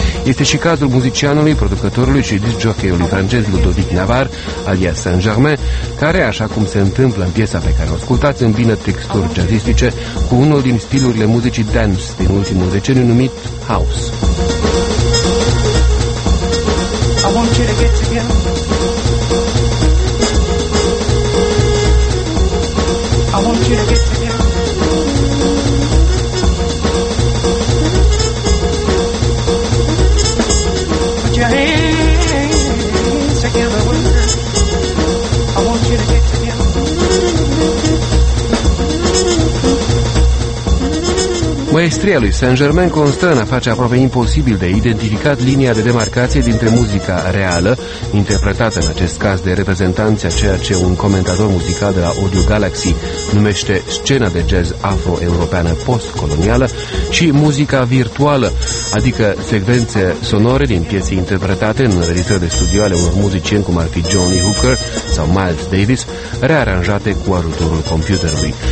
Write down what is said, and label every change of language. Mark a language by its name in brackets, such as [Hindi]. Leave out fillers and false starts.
[Romanian] Este și cazul muzicianului, producătorului și disc-jockey-ului francez Ludovic Navar, alias Saint-Germain, care, așa cum se întâmplă în piesa pe care o ascultați, îmbină texturi jazzistice cu unul din stilurile muzicii dance din ultimul deceniu numit house. [English] I want you to get together. I want you to get together. Put your hands together with me. I want you to get together. [Romanian] Maestria lui Saint-Germain constă în a face aproape imposibil de identificat linia de demarcație dintre muzica reală, interpretată în acest caz de reprezentanți a ceea ce un comentator muzical de la Audio Galaxy numește scena de jazz afro-europeană post-colonială, și muzica virtuală, adică secvențe sonore din piese interpretate în registre de studio ale unor muzicieni cum ar fi Johnny Hooker sau Miles Davis, rearanjate cu ajutorul computerului.